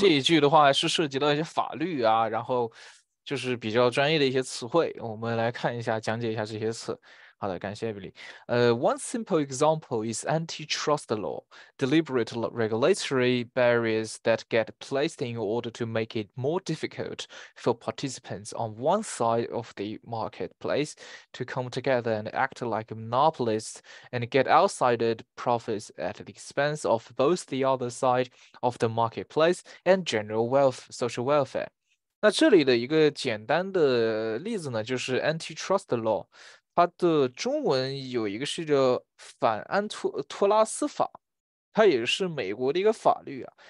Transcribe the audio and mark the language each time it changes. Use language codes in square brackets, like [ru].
[zh] 这一句的话是涉及到一些法律啊，然后就是比较专业的一些词汇，我们来看一下，讲解一下这些词。好的，感谢 Emily。 [en] One simple example is antitrust law, deliberate regulatory barriers that get placed in order to make it more difficult for participants on one side of the marketplace to come together and act like monopolists and get outsided profits at the expense of both the other side of the marketplace and general wealth, social welfare. [zh] 那这里的一个简单的例子呢，就是 antitrust law。它的中文有一个是叫反安托拉斯法，它也是美国的一个法律啊。